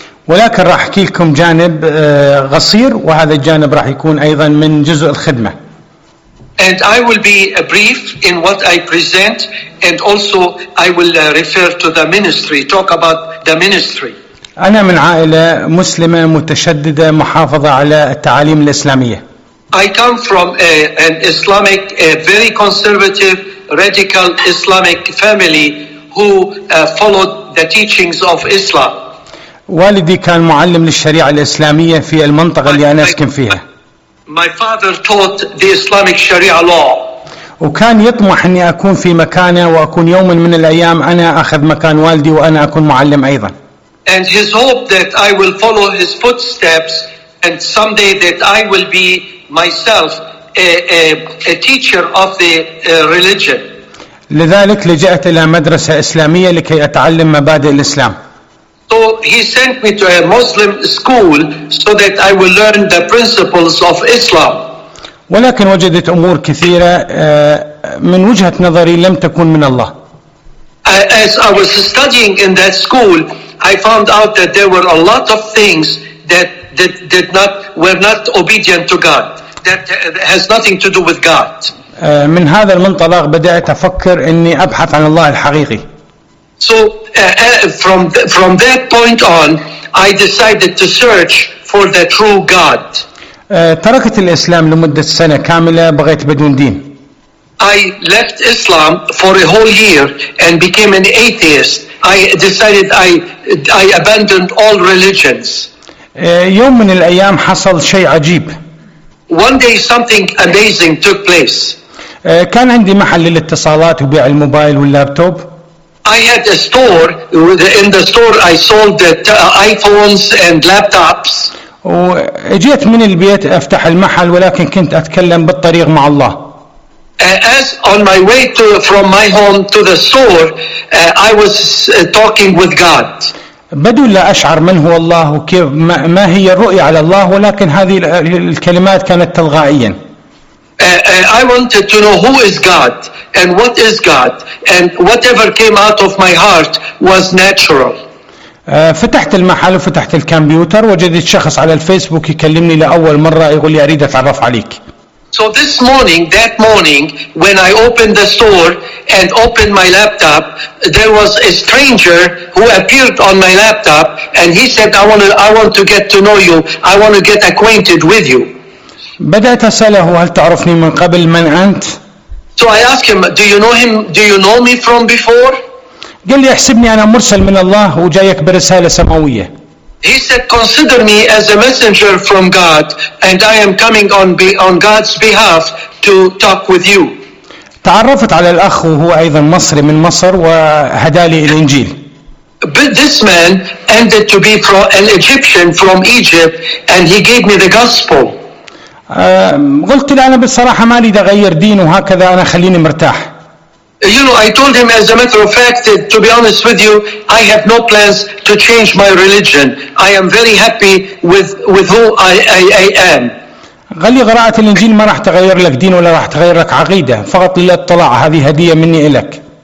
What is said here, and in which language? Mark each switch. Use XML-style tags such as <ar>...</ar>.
<ar>ولكن راح احكي لكم جانب قصير، وهذا الجانب راح يكون ايضا من جزء الخدمه.</ar> <en>And I will be brief in what I present, and also I will refer to the ministry, talk about the ministry.</en> <ar>انا من عائله مسلمه متشدده محافظه على التعاليم الاسلاميه.</ar> <en>I come from an Islamic, a very conservative, radical Islamic family who followed the teachings of Islam.</en> <ar>والدي كان معلم للشريعة الإسلامية في المنطقة اللي أنا أسكن فيها.</ar> <en>My father taught the Islamic Sharia law.</en> <ar>وكان يطمح أني أكون في مكانه، وأكون يوما من الأيام أنا أخذ مكان والدي وأنا أكون معلم أيضا.</ar> <en>And his hope that I will follow his footsteps and someday that I will be myself a teacher of the religion.</en> <ar>لذلك لجأت إلى مدرسة إسلامية لكي أتعلم مبادئ الإسلام.</ar> <en>So he sent me to a Muslim school so that I will learn the principles of Islam.</en> <ar>ولكن وجدت أمور كثيرة من وجهة نظري لم تكن من الله.</ar> <en>As I was studying in that school, I found out that there were a lot of things that were not obedient to God, that has nothing to do with God.</en> <ar>من هذا المنطلق بدأت أفكر إني أبحث عن الله الحقيقي.</ar> <en>So from that point on, I decided to search for the true God.</en> <ar>تركت الإسلام لمدة سنة كاملة، بغيت بدون دين.</ar> <en>I left Islam for a whole year and became an atheist. I decided I abandoned all religions.</en> <ar>يوم من الأيام حصل شيء عجيب.</ar> <en>One day something amazing took place.</en> <ar>كان عندي محل للاتصالات وبيع الموبايل واللابتوب.</ar> <en>I had a store. In the store, I sold the iPhones and laptops.</en> <ar>وجيت من البيت أفتح المحل، ولكن كنت أتكلم بالطريق مع الله.</ar> <en>As on my way to from my home to the store, I was talking with God.</en> <ar>بدون لا أشعر من هو الله وكيف ما هي الرؤية على الله، ولكن هذه الكلمات كانت تلقائياً.</ar> <en>I wanted to know who is God and what is God, and whatever came out of my heart was natural.</en> <ar>فتحت المحل وفتحت الكمبيوتر، وجدت شخص على الفيسبوك يكلمني لأول مرة يقول لي أريد أتعرف عليك.</ar> <en>So this morning, that morning, when I opened the store and opened my laptop, there was a stranger who appeared on my laptop, and he said, "I want to get to know you. I want to get acquainted with you."</en> <ar>بدأت أسأله هل تعرفني من قبل، من أنت؟</ar> <en>So I asked him, do you know me from before?</en> <ar>قال لي احسبني أنا مرسل من الله وجايك برسالة سماوية.</ar> <en>He said, consider me as a messenger from God, and I am coming on God's behalf to talk with you.</en> <ar>تعرفت على الأخ وهو أيضا مصري من مصر وهدالي الإنجيل.</ar> <en>But this man ended to be an Egyptian from Egypt, and he gave me the gospel.</en> <ar>قلت له أنا بالصراحة ما لي أغير دين وهكذا أنا خليني مرتاح.</ar> <en>You know, I told him as a matter of fact, to be honest with you, I have no plans to change my religion. I am very happy with who I am.</en> <ar>قال لي قراءة الإنجيل ما راح تغير لك دين ولا راح تغير لك عقيدة. فقط لله الطلاع هذه هدية مني إليك.</ar>